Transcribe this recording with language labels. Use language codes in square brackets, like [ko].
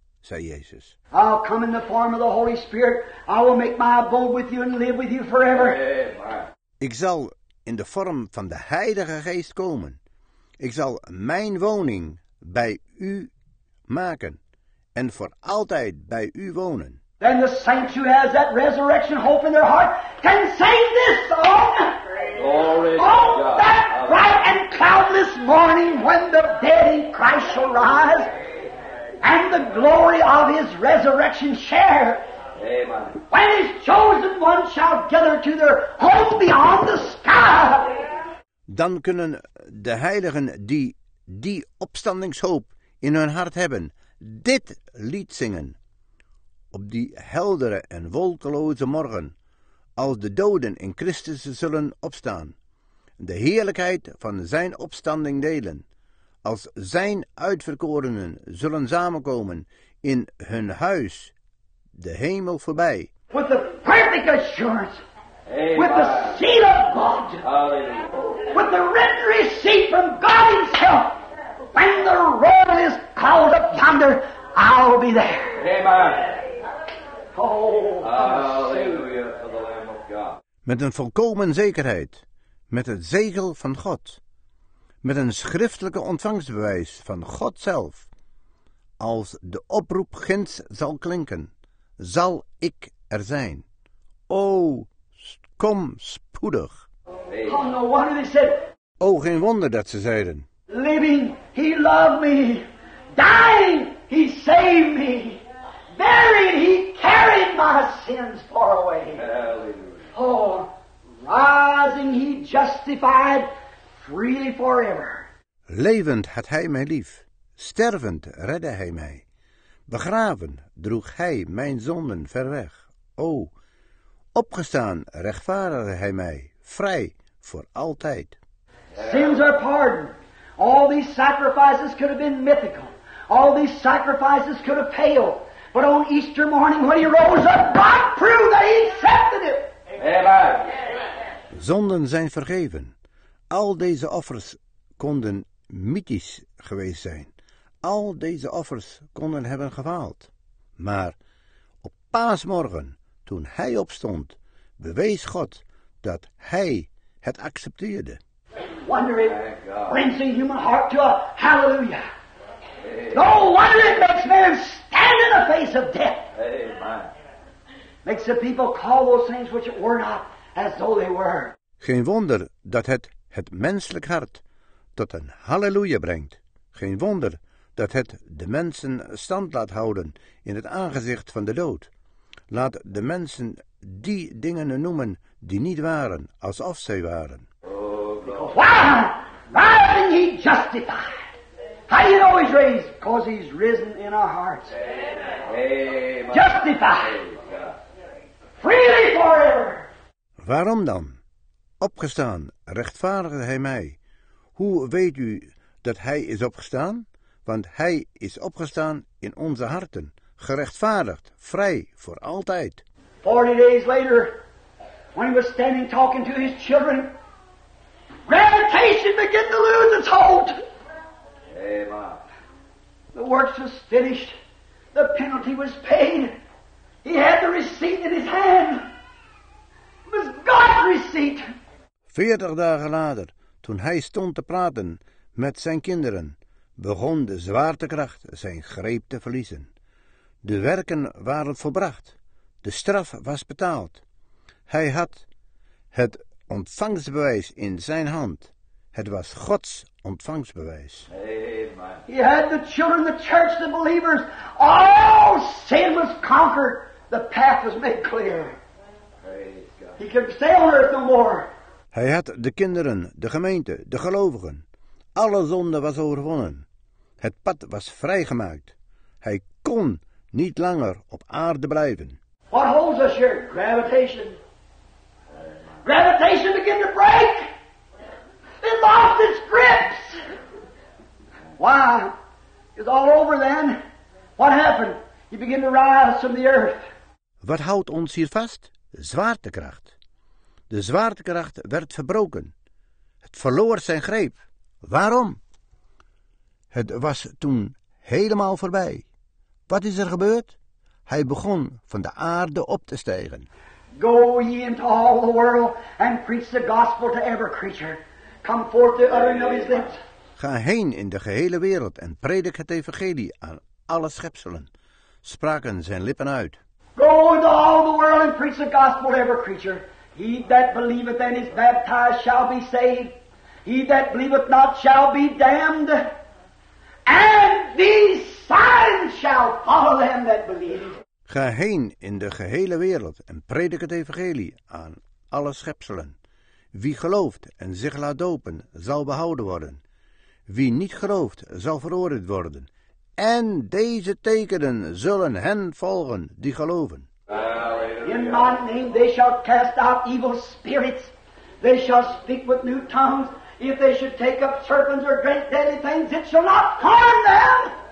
[nl] Zei Jezus. [en] I'll come in the form of the Holy Spirit. I will make my abode with you and live with you forever. [nl] Ik zal in de vorm van de Heilige Geest komen. Ik zal mijn woning bij u maken en voor altijd bij u wonen. [en] Then the saint who has that resurrection hope in their heart can sing this song. Glory oh, that bright and cloudless morning when the dead in Christ shall rise. And the glory of his resurrection share. Amen. When his chosen ones shall gather to their home beyond the sky. [nl] Dan kunnen de heiligen die die opstandingshoop in hun hart hebben, dit lied zingen. Op die heldere en wolkeloze morgen, als de doden in Christus zullen opstaan, de heerlijkheid van zijn opstanding delen. Als zijn uitverkorenen zullen samenkomen in hun huis, de hemel voorbij. [en] With the perfect assurance. Amen. With the seal of God. Hallelujah. With the written receipt from God himself. When the roar is called up yonder, I'll be there. Amen. Oh, hallelujah for the Lamb of God. [nl] Met een volkomen zekerheid, met het zegel van God, met een schriftelijke ontvangstbewijs van God zelf, als de oproep ginds zal klinken, zal ik er zijn. O, kom spoedig. [en] Oh, no wonder they said. [nl] O, geen wonder dat ze zeiden. [en] Living, he loved me. Dying, he saved me. Buried, he carried my sins far away. Hallelujah. Oh, rising, he justified freely forever. [nl] Levend had hij mij lief. Stervend redde hij mij. Begraven droeg hij mijn zonden ver weg. O, opgestaan rechtvaardigde hij mij, vrij voor altijd. [en] Sins are pardoned. All these sacrifices could have been mythical. All these sacrifices could have paled. But on Easter morning when he rose up, God proved that he accepted it. Amen. [nl] Zonden zijn vergeven. Al deze offers konden mythisch geweest zijn. Al deze offers konden hebben gefaald. Maar op paasmorgen, toen hij opstond, bewees God dat hij het accepteerde. [en] Wonder it brings a human heart to a hallelujah. No wonder it makes man stand in the face of death. Amen. Makes the people call those things which it were not as though they were. [nl] Geen wonder dat het menselijk hart tot een halleluja brengt. Geen wonder dat het de mensen stand laat houden in het aangezicht van de dood. Laat de mensen die dingen noemen die niet waren, alsof zij waren. [en] Oh God. Why? Why isn't he justified? How do you know he's raised? Because he's risen in our hearts. Amen. Justified. Freely forever. [nl] Waarom dan? Opgestaan, rechtvaardigde hij mij. Hoe weet u dat hij is opgestaan? Want hij is opgestaan in onze harten, gerechtvaardigd, vrij voor altijd. [en] 40 days later, when he was standing talking to his children, gravitation began to lose its hold. Amen. The works was finished. The penalty was paid. He had the receipt in his hand. It was God's receipt. [nl] 40 dagen later, toen hij stond te praten met zijn kinderen, begon de zwaartekracht zijn greep te verliezen. De werken waren volbracht. De straf was betaald. Hij had het ontvangstbewijs in zijn hand. Het was Gods ontvangstbewijs. [en] Amen. He had the children, the church, the believers. All sin was conquered. The path was made clear. He could stay on earth no more. [nl] Hij had de kinderen, de gemeente, de gelovigen. Alle zonde was overwonnen. Het pad was vrijgemaakt. Hij kon niet langer op aarde blijven. [en] What holds us here? Gravitation. Gravitation began to break. It lost its grips. Why? It's all over then. What happened? He began to rise from the earth. [nl] Wat houdt ons hier vast? Zwaartekracht. De zwaartekracht werd verbroken. Het verloor zijn greep. Waarom? Het was toen helemaal voorbij. Wat is er gebeurd? Hij begon van de aarde op te stijgen. [en] Go ye into all the world and preach the gospel to every creature. Come forth the uttering of his lips. [nl] Ga heen in de gehele wereld en predik het evangelie aan alle schepselen, spraken zijn lippen uit. [en] Go into all the world and preach the gospel to every creature. He that believeth and is baptized shall be saved. He that believeth not shall be damned. And these signs shall follow them that believe. [nl] Ga heen in de gehele wereld en predik het evangelie aan alle schepselen. Wie gelooft en zich laat dopen, zal behouden worden. Wie niet gelooft, zal veroordeeld worden. En deze tekenen zullen hen volgen die geloven. [en] In my name they shall cast out evil spirits. They shall speak with new tongues. If they should take up serpents or drink deadly things, it shall not harm them.